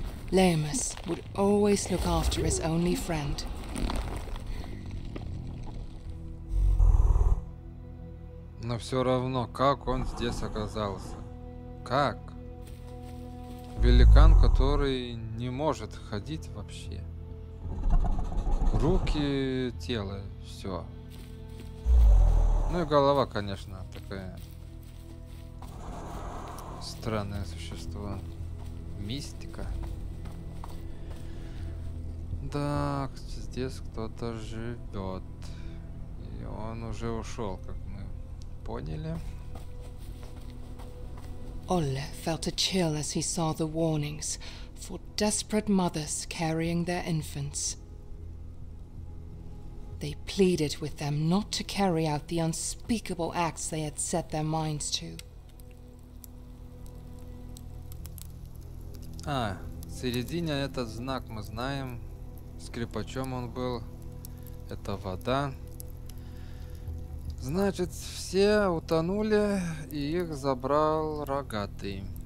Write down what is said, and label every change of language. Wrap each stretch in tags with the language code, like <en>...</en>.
<en>Леймос would always look after his only friend.</en> <ru>Но все равно, как он здесь оказался? Как? Великан, который не может ходить вообще. Руки, тело, все. Ну и голова, конечно, такая. Странное существо. Мистика. Да, здесь кто-то живет. И он уже ушел, как мы поняли.</ru> <en>Olle felt a chill as he saw the warnings for desperate mothers carrying their infants. They pleaded with them not to carry out the unspeakable acts they had set their minds to.</en> <ru>А, середина — этот знак мы знаем. Скрипачом он был. Это вода. Значит, все утонули, и их забрал рогатый.</ru>